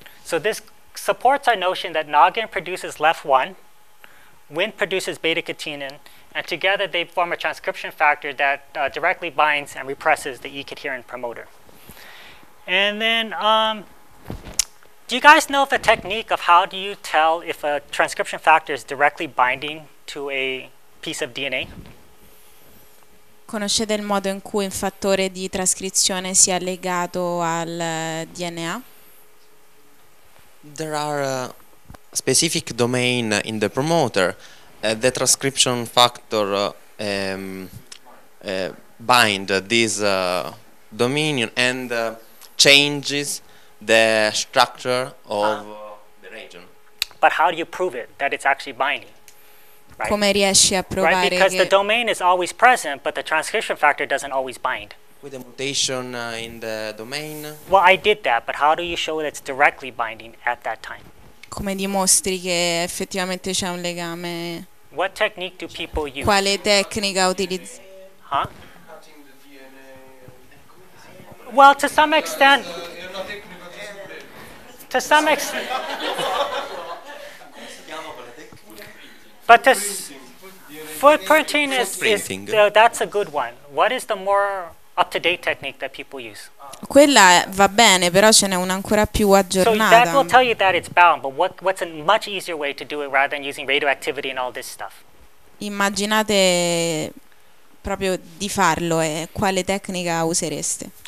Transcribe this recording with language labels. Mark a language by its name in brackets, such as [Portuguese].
[English] So this supports our notion that noggin produces LEF1, Wnt produces beta-catenin, and together they form a transcription factor that directly binds and represses the E-cadherin promoter. And then, do you guys know the technique of how do you tell if a transcription factor is directly binding to a piece of DNA? [Italian] Conoscete il modo in cui un fattore di trascrizione sia legato al DNA? [English] There are specific domain in the promoter the transcription factor bind this domain and changes the structure of the region. but how do you prove it that it's actually binding? Right? [Italian] Come riesci a provare, [English] right? Because the domain is always present, but the transcription factor doesn't always bind. With a mutation in the domain. Well, I did that, but how do you show that it's directly binding at that time? [Italian] Come dimostri che effettivamente c'è un legame? [English] What technique do people use? [Italian] Quale tecnica utilizzi? [English] Huh? Well, to some extent. To some extent. But this footprinting is that's a good one. What is the more up-to-date technique that people use? [Italian] Quella va bene, però ce n'è una ancora più aggiornata. [English] So that will tell you that it's bound, but what's a much easier way to do it rather than using radioactivity and all this stuff? [Italian] Immaginate proprio di farlo, e quale tecnica usereste?